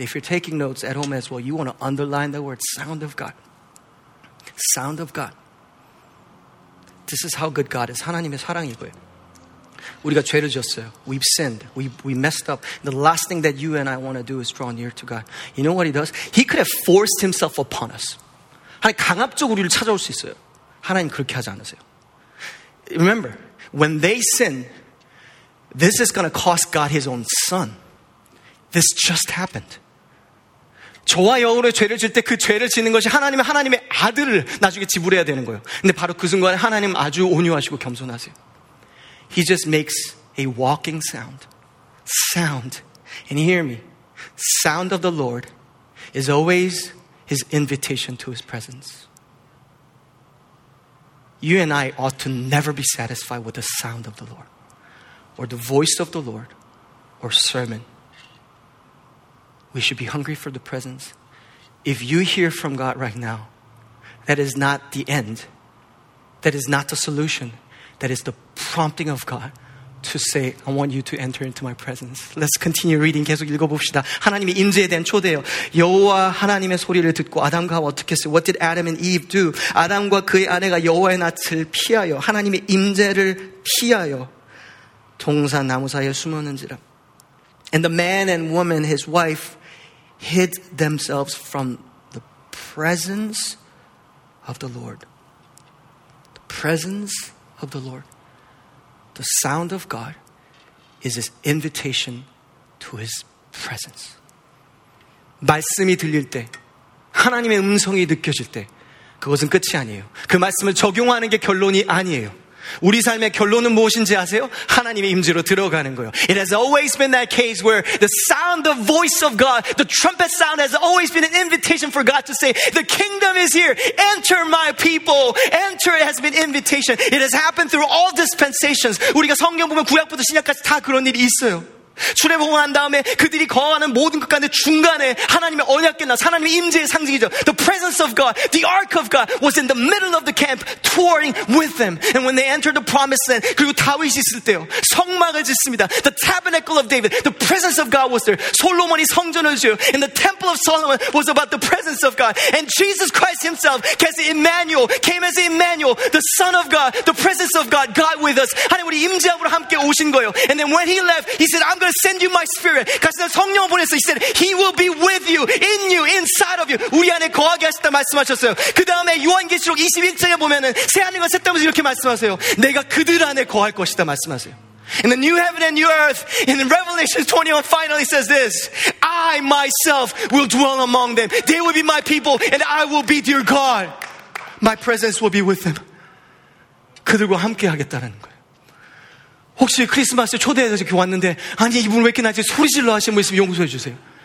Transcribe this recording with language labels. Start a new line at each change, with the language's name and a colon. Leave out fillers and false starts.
English: If you're taking notes at home as well, you want to underline the word sound of God. Sound of God. This is how good God is.
Korean: 하나님의 사랑이고요. 우리가 죄를 지었어요.
English: We've sinned. We messed up. The last thing that you and I want to do is draw near to God. You know what he does? He could have forced himself upon us.
Korean: 하나님 강압적으로 우리를 찾아올 수 있어요. 하나님 그렇게 하지 않으세요.
English: Remember, when they sin, this is going to cost God his own son. This just happened.
Korean: 저와 여우를 죄를 질 때 그 죄를 짓는 것이 하나님의 하나님의 아들을 나중에 지불해야 되는 거예요. 근데 바로 그 순간에 하나님 아주 온유하시고 겸손하세요.
English: He just makes a walking sound. Sound. And hear me. Sound of the Lord is always his invitation to his presence. You and I ought to never be satisfied with the sound of the Lord. Or the voice of the Lord. Or sermon. We should be hungry for the presence. If you hear from God right now, that is not the end. That is not the solution. That is the prompting of God to say, I want you to enter into my presence. Let's continue reading.
Korean: 계속 읽어봅시다. 하나님의 임재에 대한 초대요. 여호와 하나님의 소리를 듣고 아담과 하와 어떻게 했어요?
English: What did Adam and Eve do?
Korean: 아담과 그의 아내가 여호와의 낯을 피하여 하나님의 임재를 피하여 동산 나무 사이에 숨었는지라.
English: And the man and woman, his wife, hid themselves from the presence of the Lord. The presence of the Lord. The sound of God is his invitation to his presence.
Korean: 말씀이 들릴 때 하나님의 음성이 느껴질 때 그것은 끝이 아니에요. 그 말씀을 적용하는 게 결론이 아니에요. 우리 삶의 결론은 무엇인지 아세요? 하나님의 임재로 들어가는 거예요.
English: It has always been that case where the sound, the voice of God, the trumpet sound has always been an invitation for God to say, the kingdom is here, enter my people, enter has been invitation. It has happened through all dispensations.
Korean: 우리가 성경 보면 구약부터 신약까지 다 그런 일이 있어요. 출애굽을 한 다음에 그들이 거하는 모든 것 가운데 중간에 하나님의 언약궤 나 하나님의 임재의 상징이죠.
English: The presence of God, the ark of God was in the middle of the camp touring with them. And when they entered the promised land,
Korean: 그리고 다윗이 있을 때요. 성막을 짓습니다.
English: The tabernacle of David, the presence of God was there.
Korean: 솔로몬이 성전을 지어요.
English: And the temple of Solomon was about the presence of God. And Jesus Christ himself came as Emmanuel, the son of God, the presence of God, God with us.
Korean: 하나님 우리 임재함으로 함께 오신 거예요.
English: And then when he left, he said, I'm going to send you my spirit.
Korean: 가서 성령을 보내서
English: he said he will be with you in you inside of you.
Korean: 우리 안에 거하게 하셨다 말씀하셨어요. 그다음에 요한계시록 21장에 보면은 새 하늘과 새 땅을 이렇게 말씀하세요. 내가 그들 안에 거할 것이다 말씀하세요.
English: In the new heaven and new earth, in Revelation 21, finally says this, I myself will dwell among them. They will be my people and I will be their God. My presence will be with them.
Korean: 그들과 함께 하겠다는 거예요. 혹시 크리스마스 초대해서 이렇게 왔는데 아니 이분 왜 이렇게 나한테 소리질러 하시는 분 있으면 용서해 주세요.